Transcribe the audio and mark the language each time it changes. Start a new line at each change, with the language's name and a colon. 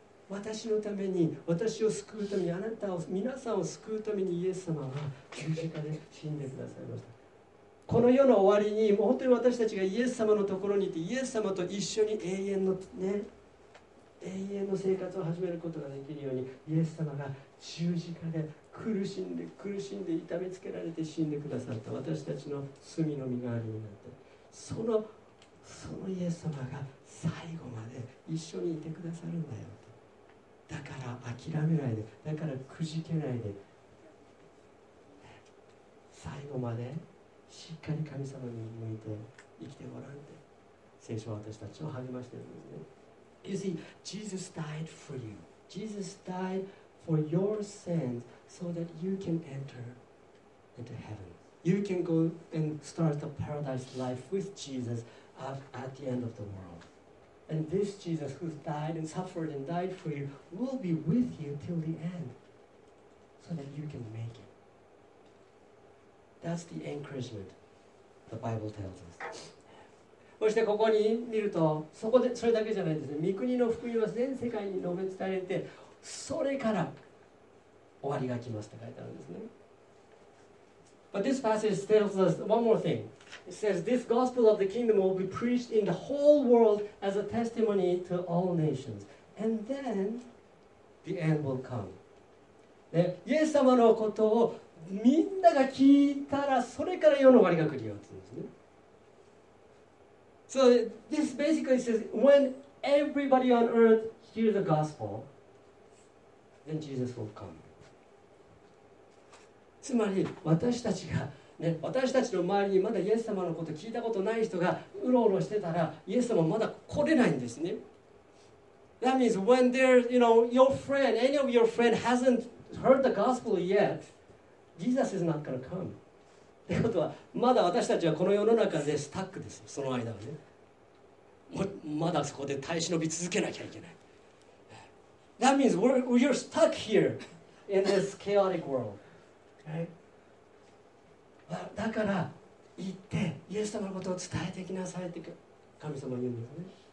Japanese: 私のために、私を救うために、あなたを、皆さんを救うために、イエス様は十字架で死んでくださいました。この世の終わりに、本当に私たちがイエス様のところに行って、イエス様と一緒に永遠のね、永遠の生活を始めることができるように、イエス様が十字架で苦しんで苦しんで痛めつけられて死んでくださった、私たちの罪の身代わりになって、そのイエス様が最後まで一緒にいてくださるんだよと。だから諦めないで、だからくじけないで、最後までしっかり神様に向いて生きてごらんって聖書は私たちを励ましてるんですね。
English: You see, Jesus died for you. Jesus died for your sinsSo that you can enter into heaven. You can go and start the paradise life with Jesus at the end of the world. And this Jesus who died and suffered and died for you will be with you till the end so that you can make it. That's the encouragement the Bible tells us.
Japanese: そしてここに見ると、そこでそれだけじゃないですね。御国の福音は全世界に述べ伝えられて、それから終わりが来ますって書いてあるんですね。
English: But this passage tells us one more thing. It says this gospel of the kingdom will be preached in the whole world as a testimony to all nations. And then the end will come.
Japanese: で、イエス様のことをみんなが聞いたら、それから世の終わりが来るよって言うんですね。
English: So this basically says when everybody on earth hears the gospel, then Jesus will come.
Japanese: つまり私たちが、ね、私たちの周りにまだイエス様のこと聞いたことない人がうろうろしてたら、イエス様まだ来れないんですね。
English: That means when there, you know, your friend, any of your friend hasn't heard the gospel yet, Jesus is not going to come.
Japanese: ってことは、まだ私たちはこの世の中でスタックですよ、その間はね。まだそこで耐え忍び続けなきゃいけない。
English: That means we're stuck here in this chaotic world. Right?
Japanese: だから行ってイエス様のことを伝えてきなさいって神様は言うんですね。